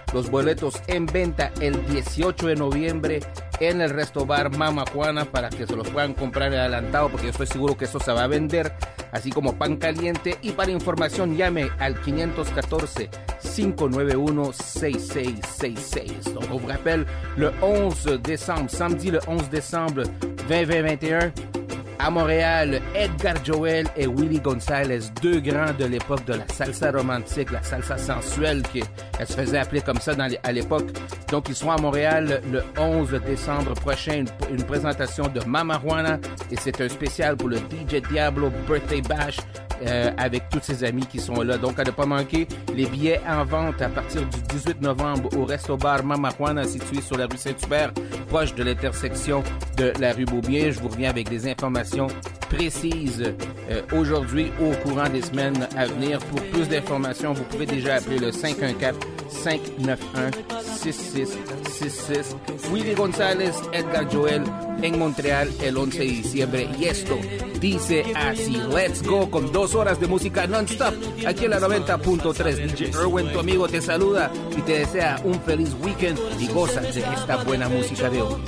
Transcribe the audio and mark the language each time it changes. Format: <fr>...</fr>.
<es>Los boletos en venta el 18 de noviembre en el Resto Bar Mama Juana, para que se los puedan comprar adelantado, porque yo estoy seguro que eso se va a vender así como pan caliente. Y para información llame al 514-591-6666.</es> <fr>Donc on vous rappelle, le 11 décembre, samedi le 11 décembre 2021, à Montréal, Edgar Joel et Willy González, deux grands de l'époque de la salsa romantique, la salsa sensuelle, qu'elle se faisait appeler comme ça dans, à l'époque. Donc, ils seront à Montréal le 11 décembre prochain, une présentation de Mama Juana, et c'est un spécial pour le DJ Diablo Birthday Bash, avec tous ses amis qui sont là. Donc, à ne pas manquer, les billets en vente à partir du 18 novembre au Resto Bar Mama Juana, situé sur la rue Saint-Hubert, proche de l'intersection de la rue Beaubien. Je vous reviens avec des informations précises aujourd'hui ou au courant des semaines à venir. Pour plus d'informations, vous pouvez déjà appeler le 514-591-6666.</fr> <es>Willy González, Edgar Joel, en Montreal, el 11 de diciembre. Y esto dice así.</es> <en>Let's go</en> <es>con dos horas de música non-stop aquí en la 90.3. DJ Irwin, tu amigo, te saluda y te desea un feliz weekend y goza de esta buena música de hoy.</es>